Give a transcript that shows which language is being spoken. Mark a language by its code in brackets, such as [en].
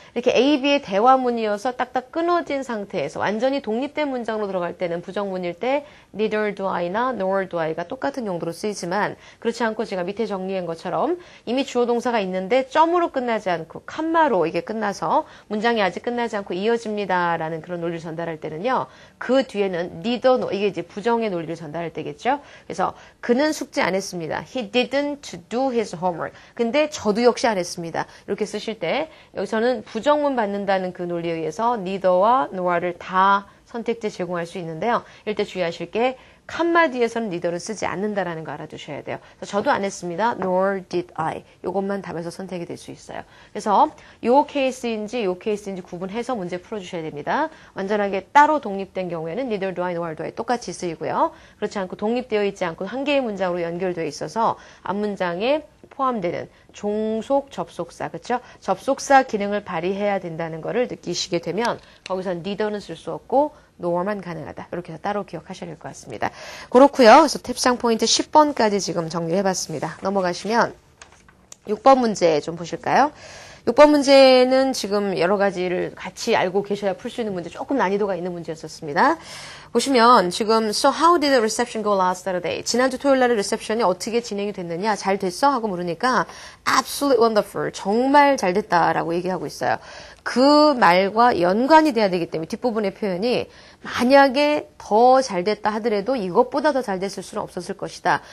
[ko] 이렇게 AB의 대화문이어서 딱딱 끊어진 상태에서 완전히 독립된 문장으로 들어갈 때는 부정문일 때, [en] neither do I [ko] 나 [en] nor do I [ko] 가 똑같은 용도로 쓰이지만, 그렇지 않고 제가 밑에 정리한 것처럼 이미 주어 동사가 있는데, 점으로 끝나지 않고, 칸마로 이게 끝나서, 문장이 아직 끝나지 않고 이어집니다라는 그런 논리를 전달할 때는요, 그 뒤에는 neither nor, 이게 이제 부정의 논리를 전달할 때겠죠? 그래서 그는 숙제 안 했습니다. [en] He didn't do his homework. [ko] 근데 저도 역시 안 했습니다. 이렇게 쓰실 때 여기서는 부정문 받는다는 그 논리에 의해서 neither와 nor를 다 선택지 제공할 수 있는데요. 이때 주의하실 게 칸마 뒤에서는 neither를 쓰지 않는다라는 거 알아두셔야 돼요. 저도 안 했습니다. [en] Nor did I. [ko] 이것만 답에서 선택이 될수 있어요. 그래서 요 케이스인지 요 케이스인지 구분해서 문제 풀어주셔야 됩니다. 완전하게 따로 독립된 경우에는 [en] neither do I nor do I [ko] 똑같이 쓰이고요. 그렇지 않고 독립되어 있지 않고 한 개의 문장으로 연결되어 있어서 앞 문장에 포함되는 종속 접속사, 그렇죠? 접속사 기능을 발휘해야 된다는 거를 느끼시게 되면 거기서 neither는 쓸수 없고 노어만 가능하다. 이렇게 해서 따로 기억하셔야 될것 같습니다. 그렇고요. 그래서 탭상 포인트 10번까지 지금 정리해 봤습니다. 넘어가시면 6번 문제 좀 보실까요? 6번 문제는 지금 여러 가지를 같이 알고 계셔야 풀수 있는 문제, 조금 난이도가 있는 문제였었습니다. 보시면 지금 [en] So how did the reception go last Saturday? [ko] 지난주 토요일 날의 리셉션이 어떻게 진행이 됐느냐? 잘 됐어? 하고 물으니까 [en] Absolute wonderful. [ko] 정말 잘 됐다라고 얘기하고 있어요. 그 말과 연관이 돼야 되기 때문에 뒷부분의 표현이 만약에 더잘 됐다 하더라도 이것보다 더잘 됐을 수는 없었을 것이다.